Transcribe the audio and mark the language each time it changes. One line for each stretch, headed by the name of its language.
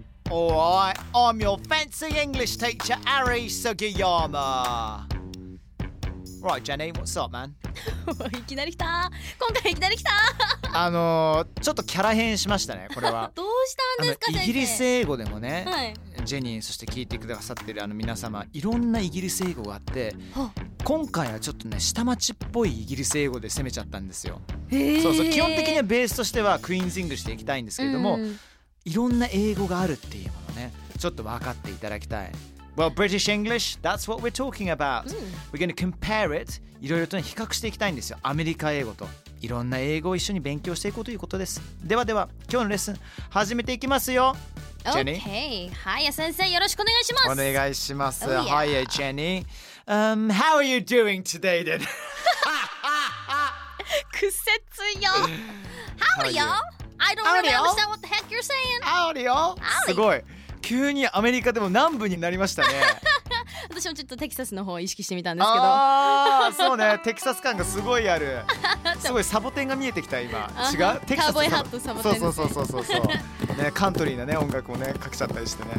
English: Alright, I'm your fancy English teacher, Ari Sugiyama. Right, Jenny, what's up, man?
Japanese: いきなり来た。今回いきなり来た。ちょっとキャラ変しましたね、これは。どうしたんですか、先生？イギリス英語でもね、はい、ジェニー、そして聞いてくださってる皆様、いろんなイギリス英語があって、今回はちょっとね、下町っぽいイギリス英語で攻めちゃったんですよ。そう、基本的にはベースとしてはクイーンズイングリッシュでいきたいんですけれども、いろんな英語があるっていうものね、ちょっと分かっていただきたい。
English: Well, British English, that's what we're talking about、We're going to compare it、
Japanese: いろいろと、ね、比較していきたいんですよ。アメリカ英語といろんな英語を一緒に勉強していこうということです。ではでは、今日のレッスン始めていきますよ、Jenny。
English: Okay, Hiya
Japanese: 先生、よろしくお願いします。お願いします。
English: Hiya Jenny、How are you doing today then?
Japanese: くせつよ。
English: How are you? I don't really understand what the heck you're saying.
Japanese: アオリオ、すごい。急にアメリカでも南部になりましたね。私もちょっとテキサスの方を意識してみたんですけど。そうね、テキサス感がすごいある。すごいサボテンが見えてきた今。違う？テキサスカーボイハットサボテンです、ね。そう、ね、カントリーな、ね、音楽もね、かけちゃったりしてね。